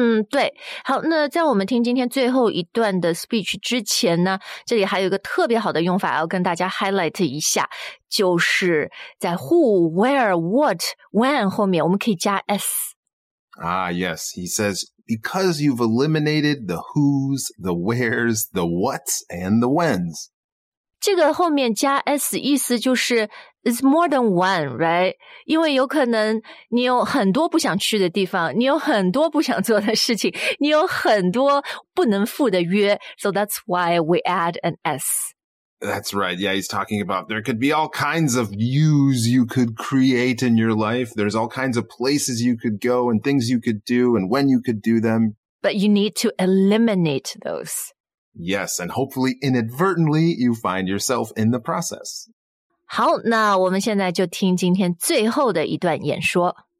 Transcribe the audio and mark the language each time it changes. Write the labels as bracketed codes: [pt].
[zh] 对，好，那在我们听今天最后一段的 speech 之前呢，这里还有一个特别好的用法要跟大家 highlight 一下，就是在 [en] who, where, what, when [zh] 后面我们可以加 s。 [en] Yes, he says, because you've eliminated the who's, the where's, the what's, and the when's. [zh] 这个后面加 s 意思就是 [en] It's more than one, right? [zh] 因为有可能你有很多不想去的地方，你有很多不想做的事情，你有很多不能赴的约。 [en] So that's why we add an S. That's right. Yeah, he's talking about there could be all kinds of yous you could create in your life. There's all kinds of places you could go and things you could do and when you could do them. But you need to eliminate those. Yes, and hopefully inadvertently you find yourself in the process. [zh] 好，那我们现在就听今天最后的一段演说。